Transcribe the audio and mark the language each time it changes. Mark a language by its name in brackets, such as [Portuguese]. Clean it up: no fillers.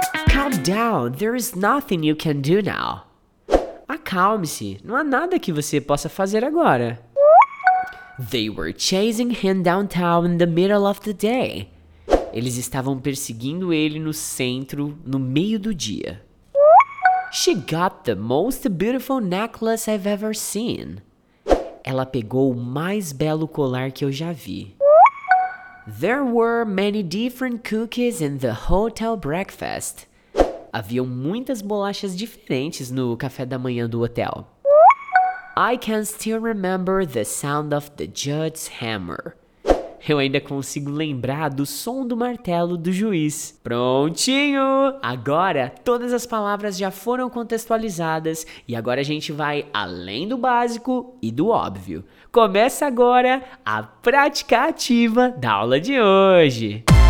[English] Calm down, there is nothing you can do now. [Portuguese] Acalme-se, não há nada que você possa fazer agora. [English] They were chasing him downtown in the middle of the day. [Portuguese] Eles estavam perseguindo ele no centro, no meio do dia. [English] She got the most beautiful necklace I've ever seen. [Portuguese] Ela pegou o mais belo colar que eu já vi. [English] There were many different cookies in the hotel breakfast. [Portuguese] Haviam muitas bolachas diferentes no café da manhã do hotel. [English] I can still remember the sound of the judge's hammer. [Portuguese] Eu ainda consigo lembrar do som do martelo do juiz. Prontinho! Agora, todas as palavras já foram contextualizadas e agora a gente vai além do básico e do óbvio. Começa agora a prática ativa da aula de hoje.